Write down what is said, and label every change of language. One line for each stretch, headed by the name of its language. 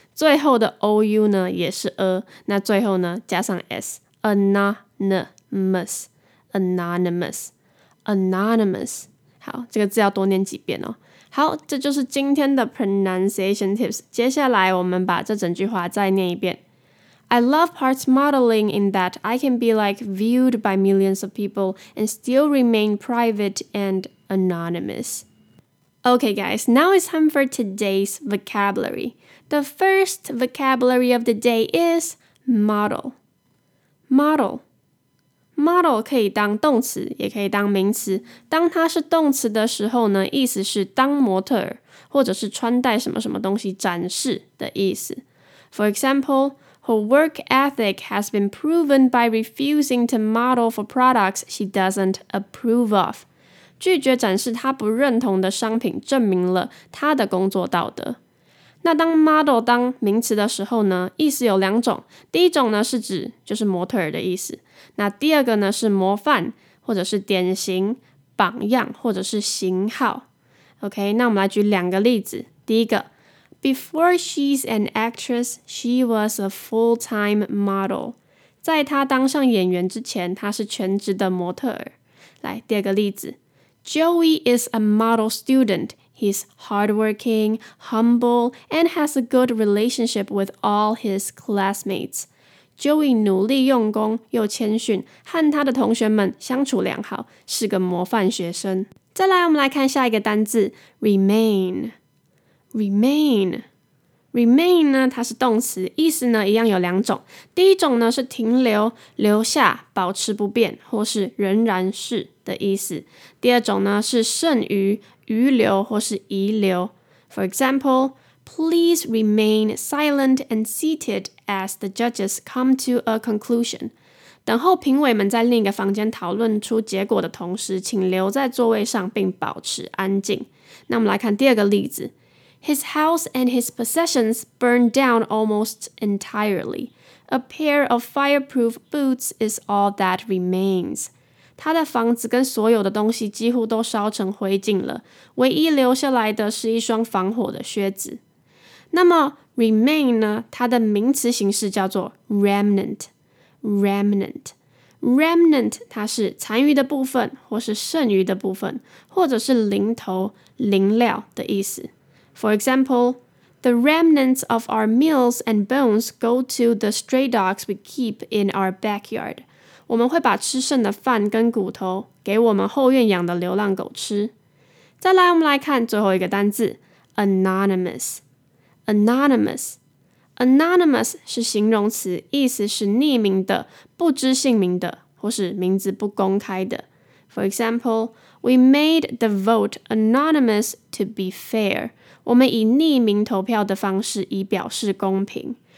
Chinese: 最后的 OU 呢，也是 a。那最后呢，
English: 加上 S. Anonymous. Anonymous. Anonymous.
Chinese: 好，这个字要多念几遍哦。好，这就是今天的 pronunciation tips。接下来我们把这整句话再念一遍。
English: I love parts modeling in that I can be like viewed by millions of people and still remain private and anonymous. Okay guys, now it's time for today's vocabulary. The first vocabulary of the day is model.
Chinese: Model. Model 可以当动词，也可以当名词。当它是动词的时候呢，意思是当模特儿，或者是穿戴什么什么东西展示的意思。
English: For example, her work ethic has been proven by refusing to model for products she doesn't approve of.
Chinese: 拒绝展示她不认同的商品，证明了她的工作道德。那当 model 当名词的时候呢，意思有两种。第一种呢是指就是模特儿的意思。那第二个呢是模范或者是典型榜样或者是型号。 OK, 那我们来举两个例子。第一个
English: ,Before she's an actress, she was a full-time model.
Chinese: 在她当上演员之前她是全职的模特儿。来第二个例子
English: ,Joey is a model student. He's hardworking, humble, and has a good relationship with all his classmates.
Chinese: Joey 努力用功又谦逊，和他的同学们相处良好，是个模范学生。再来，我们来看下一个单字 ，
English: remain. Remain.
Chinese: Remain 呢，它是动词，意思呢一样有两种。第一种呢是停留、留下、保持不变，或是仍然是的意思。第二种呢是剩余。余留或是遗留
English: For example, please remain silent and seated as the judges come to a conclusion.
Chinese: 等候评委们在另一个房间讨论出结果的同时，请留在座位上并保持安静。那我们来看第二个例子。
English: His house and his possessions burned down almost entirely. A pair of fireproof boots is all that remains.
Chinese: 他的房子跟所有的东西几乎都烧成灰烬了，唯一留下来的是一双防火的靴子。那么 remain 呢？它的名词形式叫做 remnant。remnant。 remnant 它是残余的部分，或是剩余的部分，或者是零头、零料的意思。
English: For example, the remnants of our meals and bones go to the stray dogs we keep in our backyard.
Chinese: 我们会把吃剩的饭跟骨头给我们后院养的流浪狗吃。再来，我们来看最后一个单字
English: anonymous。anonymous。
Chinese: anonymous 是形容词，意思是匿名的、不知姓名的，或是名字不公开的。
English: For example, we made the vote anonymous to be fair.
Chinese: 我们以匿名投票的方式以表示公平。